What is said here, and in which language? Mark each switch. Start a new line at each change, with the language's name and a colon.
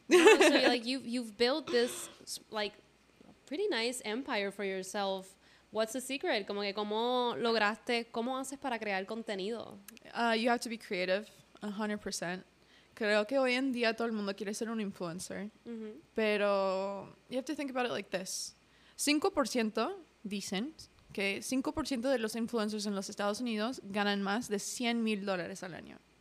English: Honestly, like you've built this like pretty nice empire for yourself. What's the secret?
Spanish: Como que cómo lograste, cómo haces para crear contenido?
English: You have to be creative, 100%.
Spanish: Creo que hoy en día todo el mundo quiere ser un influencer. Mm-hmm. Pero
English: you have to think about it like this.
Spanish: 5% dicen que 5% de los influencers en los Estados Unidos ganan más de $100,000 al año.